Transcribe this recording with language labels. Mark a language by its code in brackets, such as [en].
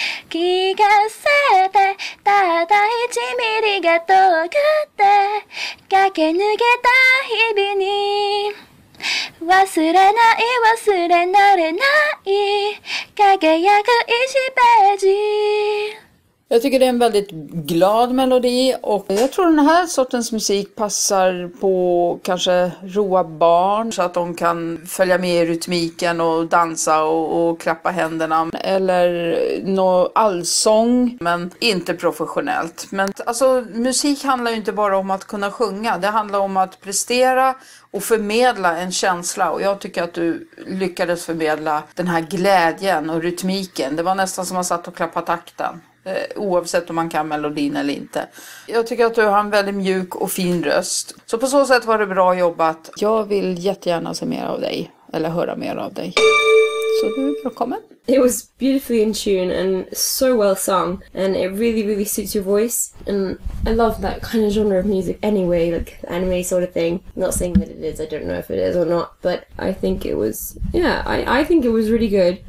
[ja] 聞かせてただ一ミリが遠くて駆け抜けた日々に忘れない忘れられない輝く一ページ [sv] Jag tycker det är en väldigt glad melodi och jag tror den här sortens musik passar på kanske roa barn så att de kan följa med i rytmiken och dansa och klappa händerna eller nå allsång men inte professionellt. Men alltså musik handlar ju inte bara om att kunna sjunga, det handlar om att prestera och förmedla en känsla och jag tycker att du lyckades förmedla den här glädjen och rytmiken. Det var nästan som att man satt och klappade takten. Oavsett om man kan melodin eller inte. Jag tycker att du har en väldigt mjuk och fin röst. Så på så sätt var det bra jobbat. Jag vill jättegärna se mer av dig. Eller höra mer av dig. Så du är välkommen. [en] It was beautifully in tune and so well sung. And it really, really suits your voice. And I love that kind of genre of music anyway. Like anime sort of thing. Not saying that it is. I don't know if it is or not. But I think it was... Yeah, I think it was really good.